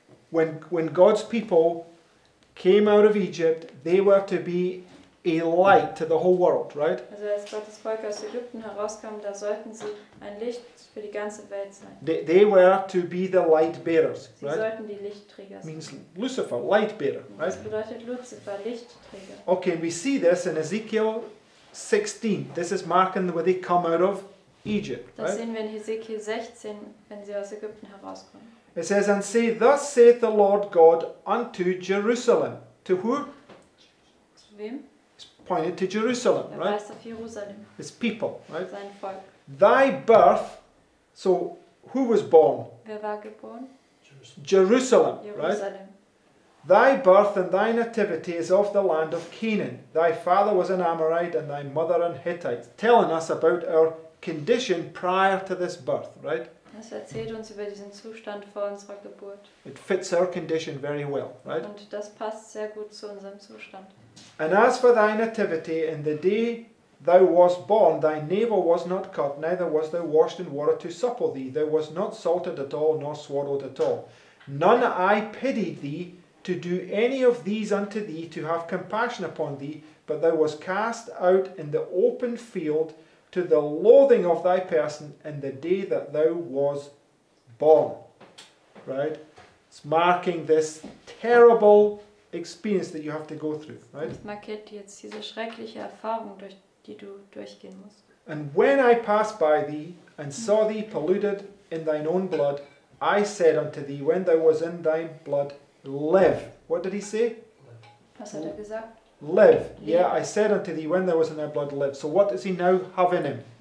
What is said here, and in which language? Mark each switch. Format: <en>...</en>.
<en>When God's people came out of Egypt, they were to be a light to the whole world, right?</en> <de>Also, als Gottes Volk aus Ägypten herauskam, da sollten sie ein Licht für die ganze Welt sein.</de> <en>They were to be the light bearers, right?</en> <de>Sie sollten die Lichtträger sein.</de> <en>Means Lucifer, light bearer, right?</en> <de>Das bedeutet Lucifer, Lichtträger.</de> <en>Okay, we see this in Ezekiel 16. This is marking where they come out of Egypt,</en> <de>das Das sehen wir in Ezekiel 16, wenn sie aus Ägypten herauskommen.</de> <en>It says, and say, thus saith the Lord God unto Jerusalem. To who?</en> <de>Zu wem?</de> <en>It's pointed to Jerusalem,</en> <de>er</de> <en>right?</en> <de>Weist auf Jerusalem.</de> <en>His people, right?</en> <de>Sein Volk.</de> <en>Thy birth, so who was born?</en> <de>Wer war geboren?</de> <en>Jerusalem, right? Thy birth and thy nativity is of the land of Canaan. Thy father was an Amorite and thy mother an Hittite. Telling us about our condition prior to this birth, right?</en> <de>Das erzählt uns über diesen Zustand vor unserer Geburt.</de> <en>It fits our condition very well, right?</en> <de>Und das passt sehr gut zu unserem Zustand.</de> <en>And as for thy nativity, in the day thou wast born, thy navel was not cut, neither was thou washed in water to supple thee. Thou wast not salted at all, nor swaddled at all. None I pitied thee to do any of these unto thee, to have compassion upon thee, but thou wast cast out in the open field, to the loathing of thy person in the day that thou was born. Right? It's marking this terrible experience that you have to go through. Right?</en> <de>Es markiert jetzt diese schreckliche Erfahrung, durch die du durchgehen musst.</de> <en>And when I passed by thee and saw thee polluted in thine own blood, I said unto thee, when thou was in thy blood, live. What did he say?</en> <de>Was hat er gesagt?</de> <en>Live. Yeah, I said unto thee, when there was in thy blood, live. So what does he now have in him?</en>